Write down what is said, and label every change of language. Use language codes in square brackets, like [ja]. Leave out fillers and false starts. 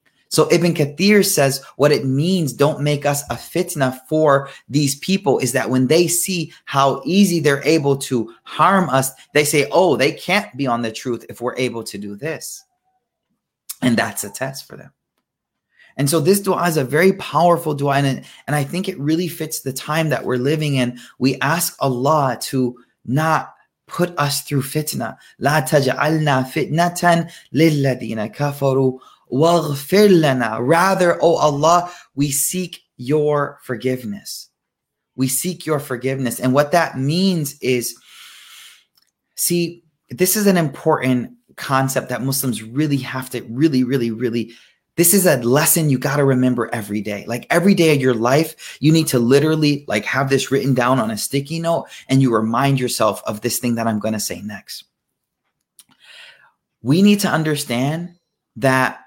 [en] So Ibn Kathir says what it means, don't make us a fitna for these people, is that when they see how easy they're able to harm us, they say, oh, they can't be on the truth if we're able to do this. And that's a test for them. And so this dua is a very powerful dua, and I think it really fits the time that we're living in. We ask Allah to not put us through fitna. [ar] لا تجعلنا فتنة للذين كفروا واغفر لنا. [en] Rather, O Allah, we seek your forgiveness. We seek your forgiveness. And what that means is, see, this is an important concept that Muslims really have to really. This is a lesson you got to remember every day. Like every day of your life, you need to literally like have this written down on a sticky note and you remind yourself of this thing that I'm going to say next. We need to understand that